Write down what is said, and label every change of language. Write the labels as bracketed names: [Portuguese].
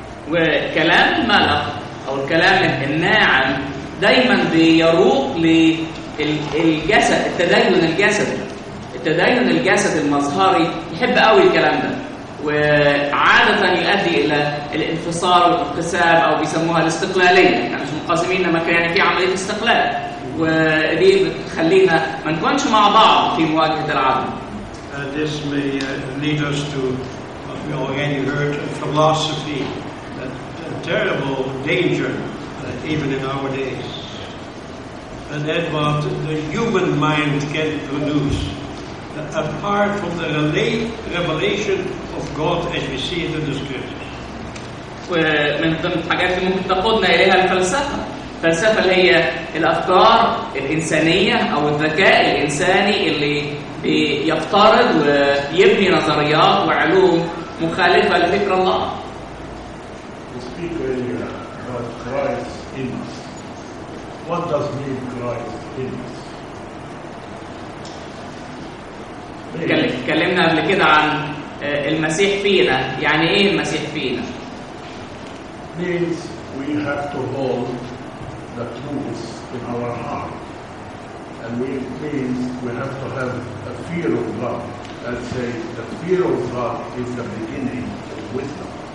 [Arabic] وكلام الملح أو الكلام الناعم دائما بيروق للجسد التدين الجسد التدين الجسد المظهري يحب قوي الكلام ده وعادة يؤدي إلى الانفصال والانقسام أو بيسموها الاستقلالية يعني مش مقاسمين لما كان يعني في عملية استقلال ودي بتخلينا ما نكونش مع بعض في مواجهة العالم. [English] This may lead us to what we already heard, a philosophy, a terrible danger even in our days. And that what the human mind can produce apart from the revelation of God as we see it in the scriptures. [Arabic] ومن ضمن الحاجات اللي ممكن تقودنا إليها الفلسفة. الفلسفة اللي هي الأفكار الإنسانية أو الذكاء الإنساني اللي بيفترض ويبني نظريات وعلوم مخالفة لفكر الله. [English] We speak earlier about Christ in us. What does mean Christ in us? [Arabic] تكلمنا قبل كده عن المسيح فينا يعني ايه المسيح فينا [English] means we have to hold the truth in our heart and it means we have to have a fear of God and say the fear of God is the beginning of wisdom